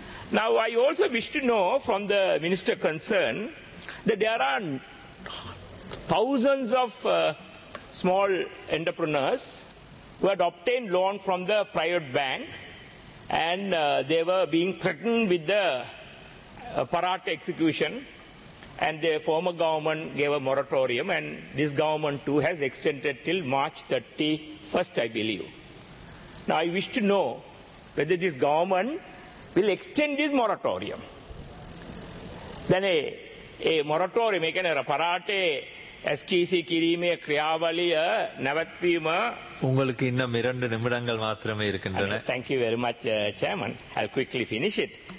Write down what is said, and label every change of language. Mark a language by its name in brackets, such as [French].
[English] Now I also wish to know from the minister concerned that there are thousands of small entrepreneurs who had obtained loan from the private bank, and they were being threatened with the Paratha execution, and their former government gave a moratorium, and this government too has extended till March 31st, I believe. Now I wish to know whether this government will extend this moratorium. Then a moratorium, again a Paratha SKC [Sinhala] කිරීමේ ක්‍රියාවලිය නැවැත්වීම [Tamil] உங்களுக்கு இன்னும் 2 நிமிடங்கள் மட்டுமே இருக்கின்றன. [English] Thank you very much chairman, I'll quickly finish it.